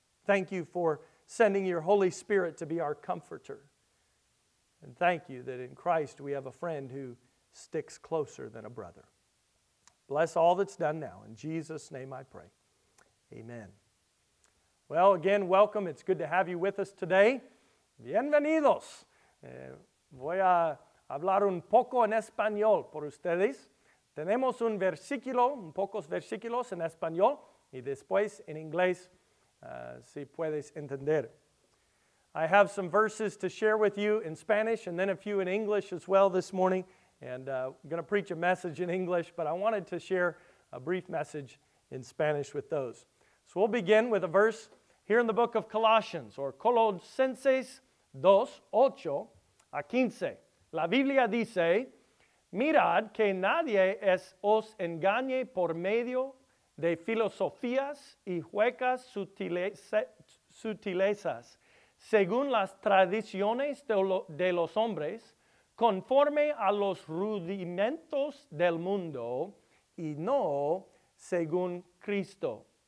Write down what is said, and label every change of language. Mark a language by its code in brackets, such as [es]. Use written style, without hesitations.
[en] Thank you for sending your Holy Spirit to be our comforter. And thank you that in Christ we have a friend who sticks closer than a brother. Bless all that's done now. In Jesus' name I pray. Amen. Well, again, welcome. It's good to have you with us today. [es] Bienvenidos. Voy a hablar un poco en español por ustedes. Tenemos un versículo, un pocos versículos en español. Y después, en inglés, si puedes entender. [en] I have some verses to share with you in Spanish and then a few in English as well this morning. And I'm going to preach a message in English, but I wanted to share a brief message in Spanish with those. So we'll begin with a verse here in the book of Colossians, or Colosenses 2, 8 a 15. [es] La Biblia dice, mirad que nadie os engañe por medio de filosofías y huecas sutilezas, según las tradiciones de los hombres, conforme a los rudimentos del mundo, y no según Cristo.